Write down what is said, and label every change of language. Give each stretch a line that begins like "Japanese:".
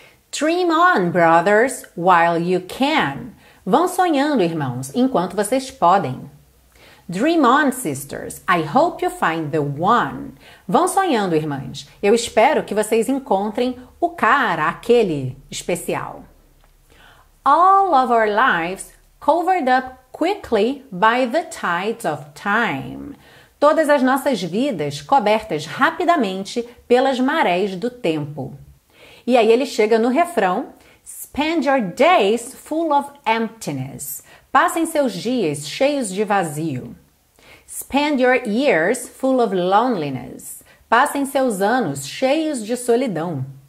English: Dream on, brothers, while you can.
Portuguese: Vão sonhando, irmãos, enquanto vocês podem.
English: Dream on, sisters, I hope you find the one.
Portuguese: Vão sonhando, irmãs, eu espero que vocês encontrem o cara, aquele especial.
English: All of our lives covered up quickly by the tides of time.
Portuguese: Todas as nossas vidas cobertas rapidamente pelas marés do tempo. E aí ele chega no refrão,
English: spend your days full of emptiness,
Portuguese: passem seus dias cheios de vazio.
English: Spend your years full of loneliness,
Portuguese: passem seus anos cheios de solidão.